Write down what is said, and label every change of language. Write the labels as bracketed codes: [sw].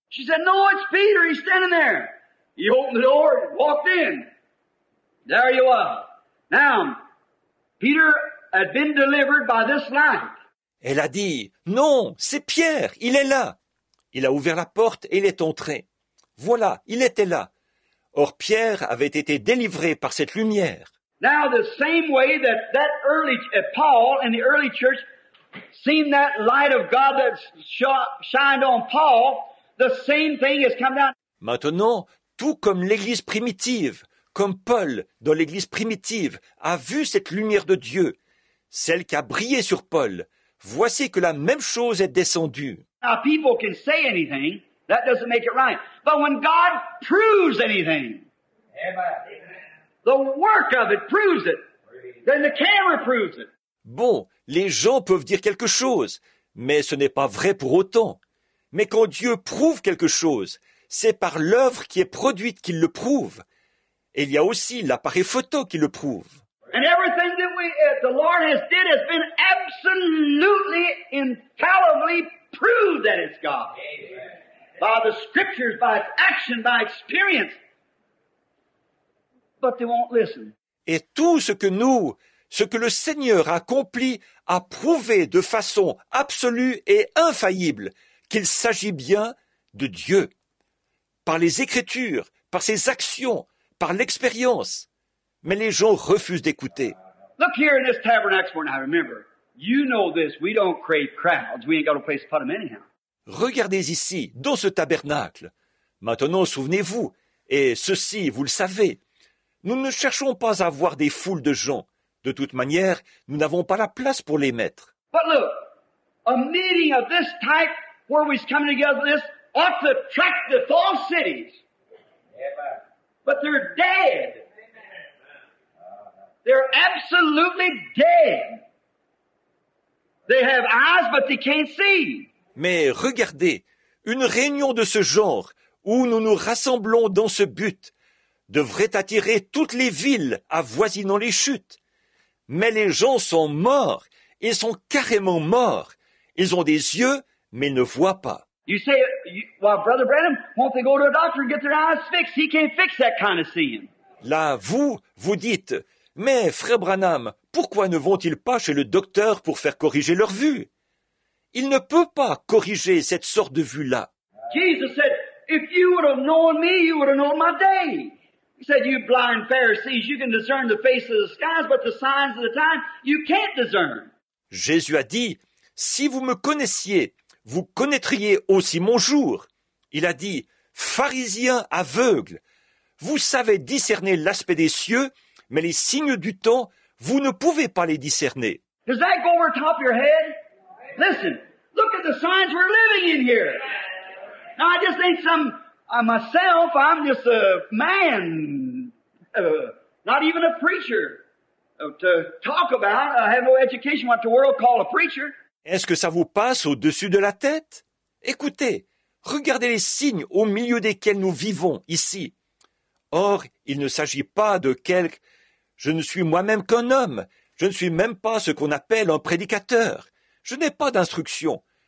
[en] She said, no, it's Peter, he's standing there. He opened the door and walked in. There you are. Now, Peter had been delivered by this light. [fr] Elle a dit, non, c'est Pierre, il est là. Il a ouvert la porte et il est entré. Voilà, il était là. Or, Pierre avait été délivré par cette lumière. [en] Now, the same way that early, Paul and the early church seen that light of God that shined on Paul, the same thing has come down. [fr] Maintenant, tout comme l'Église primitive, comme Paul dans l'Église primitive a vu cette lumière de Dieu, celle qui a brillé sur Paul, voici que la même chose est descendue. [en] Now people can say anything, that doesn't make it right. But when God proves anything, the work of it proves it, then the camera proves it. [fr] Bon, les gens peuvent dire quelque chose, mais ce n'est pas vrai pour autant. Mais quand Dieu prouve quelque chose, c'est par l'œuvre qui est produite qu'il le prouve. Et il y a aussi l'appareil photo qui le prouve. [en] And everything that the Lord has did has been absolutely infallibly proved that it's God. Amen. By the scriptures, by its action, by experience. but they won't listen. [fr] Et tout ce que nous, ce que le Seigneur accomplit, a prouvé de façon absolue et infaillible qu'il s'agit bien de Dieu. Par les Écritures, par ses actions, par l'expérience. Mais les gens refusent d'écouter. [en] Look here in this tabernacle, and I remember, you know this, we don't crave crowds, we ain't got a place to put them anyhow. [fr] Regardez ici, dans ce tabernacle. Maintenant, souvenez-vous, et ceci, vous le savez, nous ne cherchons pas à voir des foules de gens. De toute manière, nous n'avons pas la place pour les mettre. [en] But look, a meeting of this type, where we're coming together, this ought to attract the false cities. But they're dead. They're absolutely dead. They have eyes, but they can't see. [fr] Mais regardez, une réunion de ce genre, où nous nous rassemblons dans ce but, devrait attirer toutes les villes avoisinant les chutes. Mais les gens sont morts, ils sont carrément morts. Ils ont des yeux, mais ils ne voient pas. [en] You say, well, Brother Branham, won't they go to a doctor and get their eyes fixed? He can't fix that kind of seeing. [fr] Là, vous dites, mais Frère Branham, pourquoi ne vont-ils pas chez le docteur pour faire corriger leur vue? Il ne peut pas corriger cette sorte de vue-là. [en] Jesus said, if you would have known me, you would have known my day. He said, you blind Pharisees, you can discern the faces of the skies, but the signs of the time, you can't discern. [fr] Jésus a dit, si vous me connaissiez, vous connaîtriez aussi mon jour. Il a dit, pharisiens aveugles, vous savez discerner l'aspect des cieux, mais les signes du temps, vous ne pouvez pas les discerner. [en] Does that go over the top of your head? Listen, look at the signs we're living in here. Now, I just ain't some, myself, I'm just a man, not even a preacher to talk about. I have no education what the world call a preacher. [fr] Est-ce que ça vous passe au-dessus de la tête? Écoutez, regardez les signes au milieu desquels nous vivons ici. Or, il ne s'agit pas de quelque... Je ne suis moi-même qu'un homme. Je ne suis même pas ce qu'on appelle un prédicateur. Je n'ai pas d'instruction.